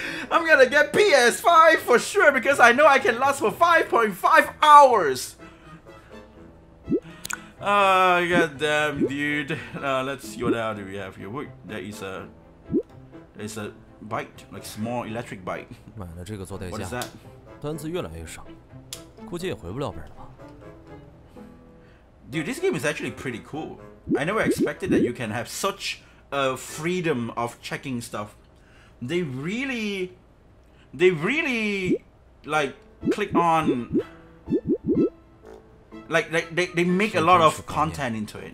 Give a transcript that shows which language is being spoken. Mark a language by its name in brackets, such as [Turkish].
[English] I'm gonna get PS5 for sure because I know I can last for 5.5 hours! Goddamn, dude. Let's see what else do we have here. Wait, there is a. There's a. Bite, like small electric bite. [Chinese] 买了这个做代驾。 [English] What is that? [Chinese] 单子越来越少，估计也回不了本了吧。 [English] Dude, this game is actually pretty cool. I never expected that you can have such a freedom of checking stuff. They really, like click on, like they make a lot of content into it.